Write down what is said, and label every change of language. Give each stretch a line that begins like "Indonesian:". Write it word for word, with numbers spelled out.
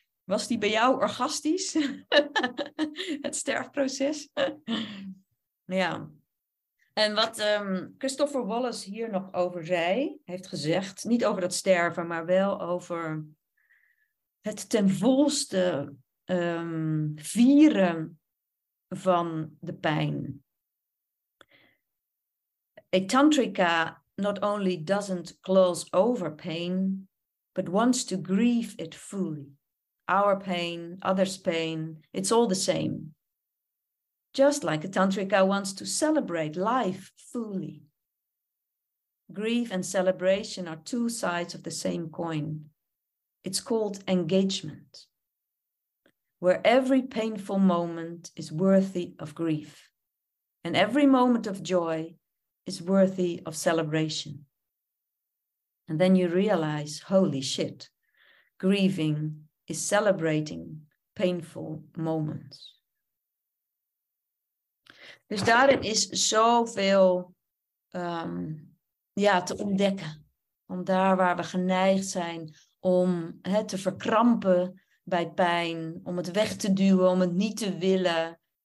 Dutch: Was die bij jou orgastisch? Het sterfproces. Ja. En wat um, Christopher Wallace hier nog over zei, heeft gezegd... Niet over dat sterven, maar wel over het ten volste um, vieren... van de pijn.
English: A tantrika not only doesn't gloss over pain, but wants to grieve it fully. Our pain, others' pain, it's all the same. Just like a tantrika wants to celebrate life fully. Grief and celebration are two sides of the same coin. It's called engagement. Where every painful moment is worthy of grief, and every moment of joy is worthy of celebration. And then you realize, holy shit, grieving is celebrating painful moments.
Dutch: Dus daarin is zoveel um, ja, te ontdekken. Om daar waar we geneigd zijn... om hè, te verkrampen bij pijn, om het weg te duwen, om het niet te willen.